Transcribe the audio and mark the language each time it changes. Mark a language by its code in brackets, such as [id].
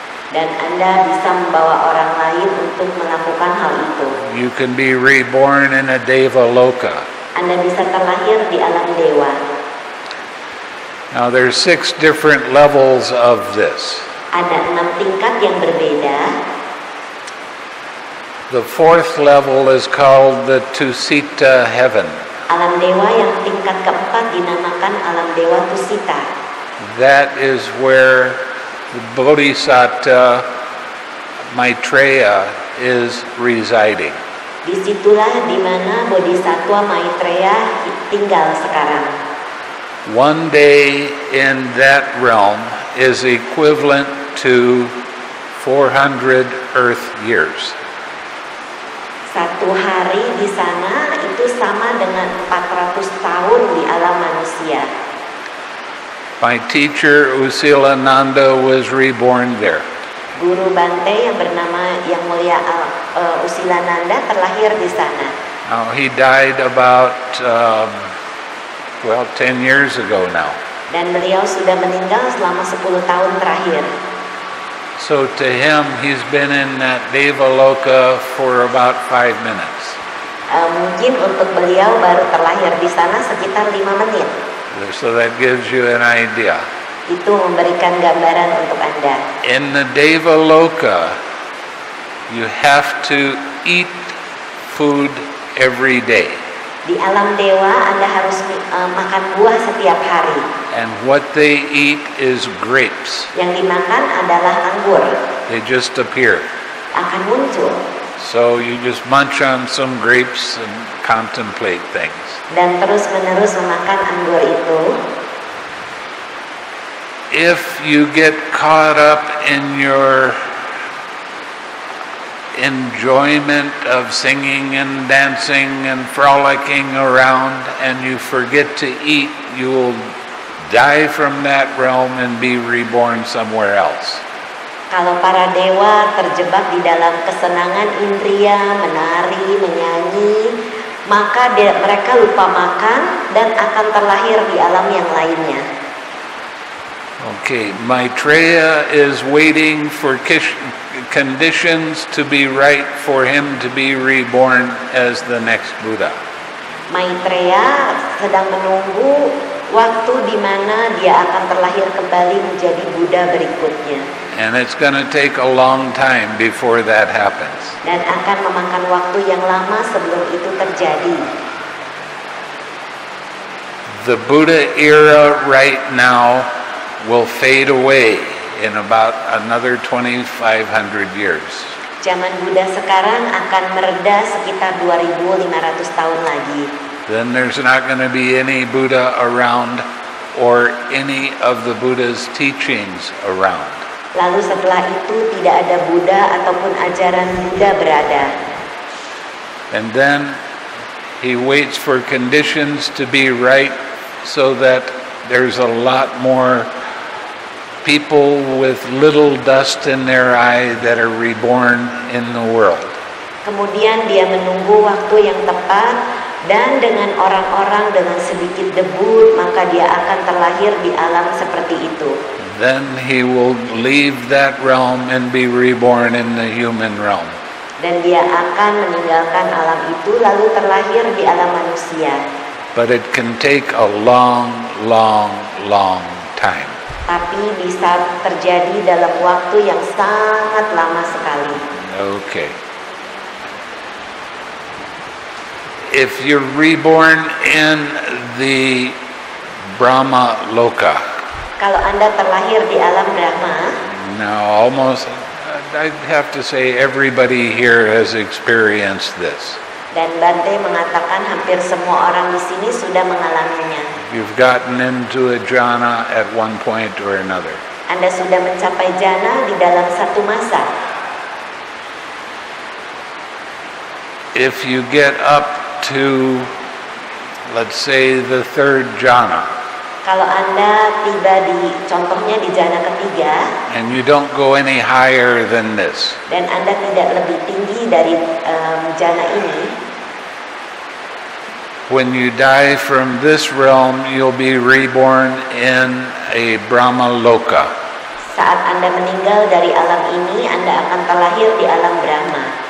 [id] dan Anda bisa membawa orang lain untuk melakukan hal itu, [en] you can be reborn in a Deva Loka. [id] Anda bisa terlahir di alam dewa. [en] Now there are 6 different levels of this. [id] Ada 6 tingkat yang berbeda. [en] The fourth level is called the Tusita heaven. [id] Alam dewa yang tingkat keempat dinamakan alam dewa Tusita. [en] That is where the Bodhisatta Maitreya is residing. [id] Disitulah di mana Bodhisattva Maitreya tinggal sekarang. [en] One day in that realm is equivalent to 400 earth years. [id] Satu hari di sana itu sama dengan 400 tahun di alam manusia. [en] My teacher Usila Nanda was reborn there. [id] Guru Bhante yang bernama Yang Mulia Usila Nanda terlahir di sana. [en] He died about 10 years ago now. [id] Dan beliau sudah meninggal selama 10 tahun terakhir. [en] So to him, he's been in that Devaloka for about 5 minutes. [id] Mungkin untuk beliau baru terlahir di sana sekitar 5 menit. [en] So that gives you an idea. [id] Itu memberikan gambaran untuk Anda. [en] In the Devaloka, you have to eat food every day. [id] Di alam dewa, Anda harus makan buah setiap hari. [en] And what they eat is grapes. [id] Yang dimakan adalah anggur. [en] They just appear. [id] Akan muncul. [en] So you just munch on some grapes and contemplate things. [id] Dan terus menerus memakan anggur itu. [en] If you get caught up in your enjoyment of singing and dancing and frolicking around and you forget to eat, you will die from that realm and be reborn somewhere else. [id] Kalau para dewa terjebak di dalam kesenangan indria, menari, menyanyi, maka mereka lupa makan dan akan terlahir di alam yang lainnya. [en] Okay, Maitreya is waiting for conditions to be right for him to be reborn as the next Buddha. [id] Maitreya sedang menunggu waktu di mana dia akan terlahir kembali menjadi Buddha berikutnya. [en] And it's going to take a long time before that happens. [id] Dan akan memakan waktu yang lama sebelum itu terjadi. [en] The Buddha era right now will fade away in about another 2500 years. [id] Zaman Buddha sekarang akan mereda sekitar 2500 tahun lagi. [en] Then there's not going to be any Buddha around or any of the Buddha's teachings around. [id] Lalu setelah itu tidak ada Buddha ataupun ajaran Buddha berada. [en] And then he waits for conditions to be right so that there's a lot more people with little dust in their eye that are reborn in the world. [id] Kemudian dia menunggu waktu yang tepat dan dengan orang-orang dengan sedikit debu, maka dia akan terlahir di alam seperti itu. [en] Then he will leave that realm and be reborn in the human realm. [id] Dan dia akan meninggalkan alam itu lalu terlahir di alam manusia. [en] But it can take a long, long, long time. [id] Tapi bisa terjadi dalam waktu yang sangat lama sekali. [en] Okay. If you're reborn in the Brahma Loka. [id] Kalau Anda terlahir di alam Brahma. [en] Now almost, I have to say everybody here has experienced this. [id] Dan Bhante mengatakan hampir semua orang di sini sudah mengalaminya. [en] You've gotten into a jhana at one point or another. [id] Anda sudah mencapai jhana di dalam satu masa. [en] If you get up to, let's say, the third jhana. [id] Kalau Anda tiba di, contohnya di jhana ketiga. [en] And you don't go any higher than this. [id] Dan Anda tidak lebih tinggi dari jhana ini. [en] When you die from this realm, you'll be reborn in a Brahma Loka. [id] Saat Anda meninggal dari alam ini, Anda akan terlahir di alam Brahma.